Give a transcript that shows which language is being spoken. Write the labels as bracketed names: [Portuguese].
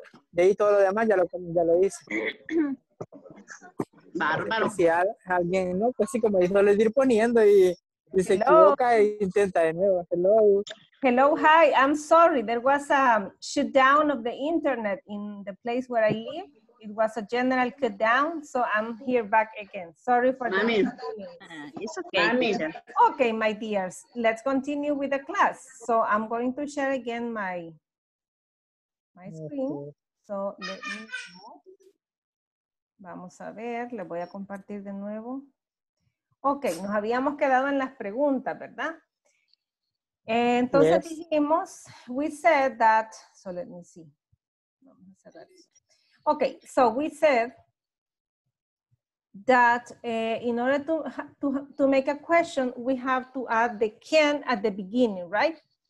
[Spanish] De ahí todo lo demás ya lo hice. Bárbaro. Si alguien, ¿no? Pues sí, como yo les ir poniendo y se equivoca e intenta de nuevo. [English] Hello. Hello, hi, I'm sorry. There was a shutdown of the internet in the place where I live. It was a general cutdown, so I'm here back again. Sorry for that. It's okay. Okay, my dears, let's continue with the class. So I'm going to share again my screen. So let me [Spanish] vamos a ver, le voy a compartir de nuevo. Okay, nos habíamos quedado en las preguntas, ¿verdad? Entonces dijimos, [English] we said that, so let me see. [Spanish] Vamos a cerrar eso. [English] Okay, so we said that in order to make a question, we have to add the can at the beginning, right?